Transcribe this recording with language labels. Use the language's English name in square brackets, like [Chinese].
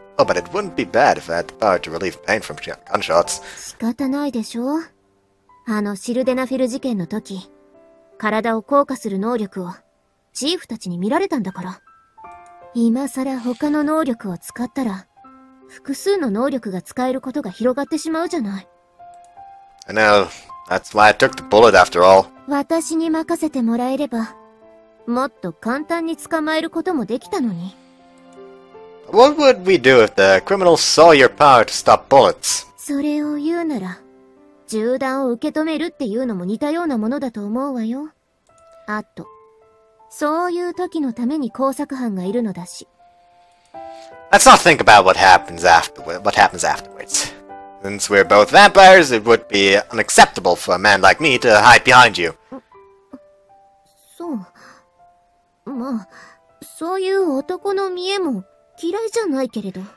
[English] Oh, but it wouldn't be bad if I had the power to relieve pain from gunshots. [Japanese] 仕方ないでしょ? あの、シルデナフィル事件の時、体を硬化する能力をチーフたちに見られたんだから。今更他の能力を使ったら、複数の能力が使えることが広がってしまうじゃない。 [English] I know. That's why I took the bullet after all. [Japanese] 私に任せてもらえれば、もっと簡単に捕まえることもできたのに。 [English] What would we do if the criminals saw your power to stop bullets? [Japanese] それを言うなら、 銃弾を受け止めるっていうのも似たようなものだと思うわよ。あと、そういう時のために工作班がいるのだし。 [English] Let's not think about what happens afterwards. Since we're both vampires, it would be unacceptable for a man like me to hide behind you. [Japanese] そう。まあ、そういう男の見えも嫌いじゃないけれど。